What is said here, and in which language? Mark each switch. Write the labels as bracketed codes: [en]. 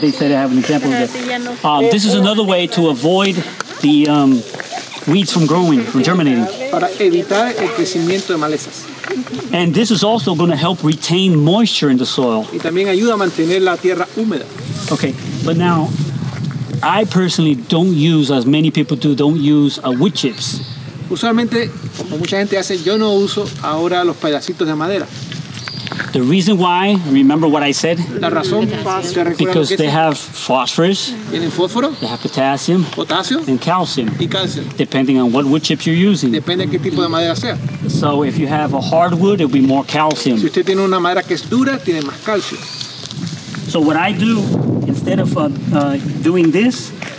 [en] They said I have an example of that. This is another way to avoid the weeds from growing, from germinating. [es] Para evitar el crecimiento de malezas. [en] And this is also going to help retain moisture in the soil. [es] Y también ayuda a mantener la tierra húmeda. [en] Okay, but now, I personally don't use, as many people do, don't use wood chips. [es] Usualmente, como mucha gente hace, yo no uso ahora los pedacitos de madera. [en] The reason why, remember what I said? [es] La razón, [en] because they have phosphorus, [es] tienen fósforo, [en] they have potassium, [es] potasio, [en] and calcium, [es] y calcio, [en] depending on what wood chips you're using. [es] Depende de qué tipo de madera sea. [en] So if you have a hardwood, it'll be more calcium. [es] Si usted tiene una madera que es dura, tiene más calcio. [en] So what I do, instead of doing this,